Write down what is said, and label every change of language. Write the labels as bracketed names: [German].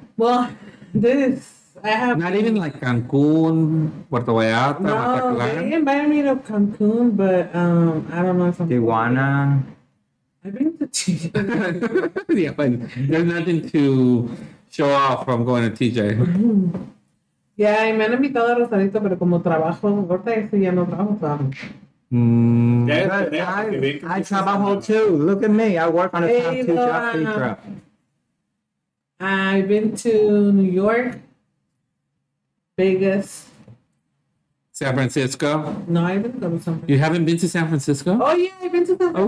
[English] Well, this. I have not even like Cancun, Puerto Vallarta, no, Mataclan. They invited me to Cancun, but I don't know if I'm Tijuana. I've been to TJ. Yeah, but there's nothing to show off from going to TJ. [Spanish] Yeah, y me han invitado a Rosarito, pero como trabajo, ahorita estoy ya no trabajo. [English] I trabajo too. Look at me. I work on a top 2 job feature. I've been to New York. Vegas. San Francisco? No, I haven't been to San Francisco. You haven't been to San Francisco? Oh, yeah, I've been to San Francisco,